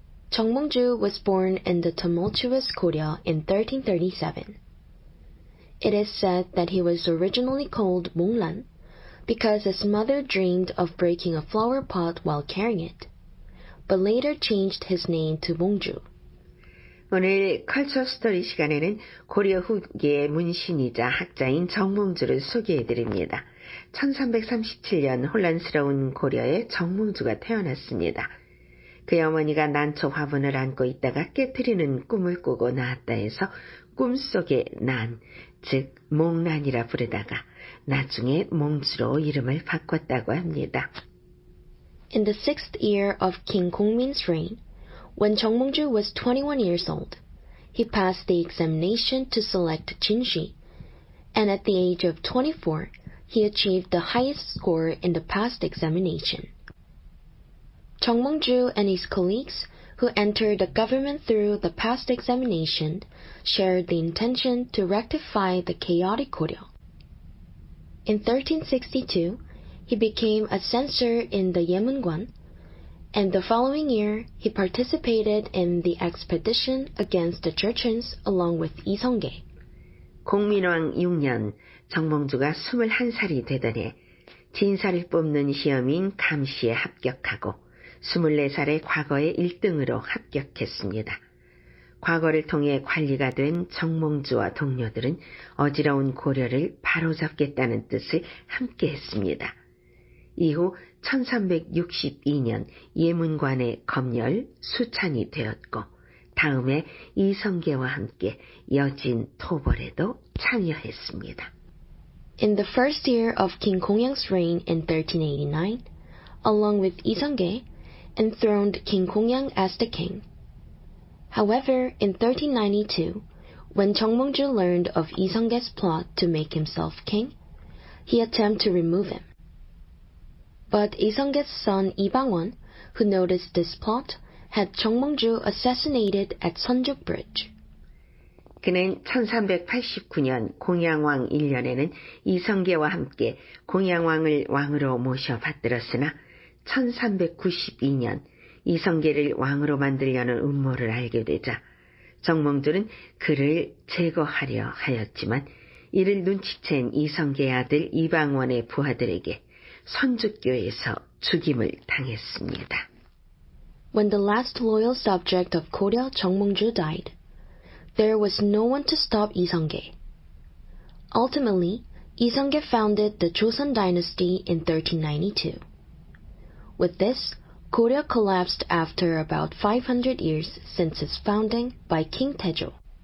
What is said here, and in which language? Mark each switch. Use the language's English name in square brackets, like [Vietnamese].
[English] Jung Mong-ju was born in the tumultuous Goryeo in 1337. It is said that he was originally called Monglan because his mother dreamed of breaking a flower pot while carrying it, but later changed his name to Mong-ju. [Korean] 오늘 컬처 스토리 시간에는 고려 후기의 문신이자 학자인 정몽주를 소개해드립니다. 1337년 혼란스러운 고려에 정몽주가 태어났습니다. 그의 어머니가 난초 화분을 안고 있다가 깨뜨리는 꿈을 꾸고 나왔다 해서 꿈속의 난, 즉 몽란이라 부르다가 나중에 몽주로 이름을 바꿨다고 합니다. [English] In the sixth year of King Gongmin's reign, when Jung Mong-ju was 21 years old, he passed the examination to select Jinshi, and at the age of 24, he achieved the highest score in the past examination. Jung Mong-ju and his colleagues, who entered the government through the past examination, shared the intention to rectify the chaotic Goryeo. In 1362, he became a censor in the Yemungwan, and the following year, he participated in the expedition against the Jurchens along with Lee Seong-gae. [Korean] 공민왕 6년, 정몽주가 21살이 되던 해, 진사를 뽑는 시험인 감시에 합격하고 24살의 과거의 1등으로 합격했습니다. 과거를 통해 관리가 된 정몽주와 동료들은 어지러운 고려를 바로잡겠다는 뜻을 함께 했습니다. 이후 1362년 예문관의 검열 수찬이 되었고 다음에 이성계와 함께 여진 토벌에도 참여했습니다. [English] In the first year of King Gongyang's reign in 1389, along with 이성계, enthroned King Gongyang as the king. However, in 1392, when Jung Mong-ju learned of 이성계's plot to make himself king, he attempted to remove him. But 이성계's son, 이방원, who noticed this plot, had Jung Mong-ju assassinated at Seonjuk Bridge. [Korean] 그는 1389년 공양왕 1년에는 이성계와 함께 공양왕을 왕으로 모셔 받들었으나 1392년 이성계를 왕으로 만들려는 음모를 알게 되자 Jung Mong-ju는 그를 제거하려 하였지만 이를 눈치챈 이성계의 아들 이방원의 부하들에게 선주교에서 죽임을 당했습니다. [English] When the last loyal subject of Goryeo, Jung Mong-ju, died, there was no one to stop 이성계. Ultimately, 이성계 founded the Joseon dynasty in 1392. With this, Goryeo collapsed after about 500 years since its founding by King Taejo.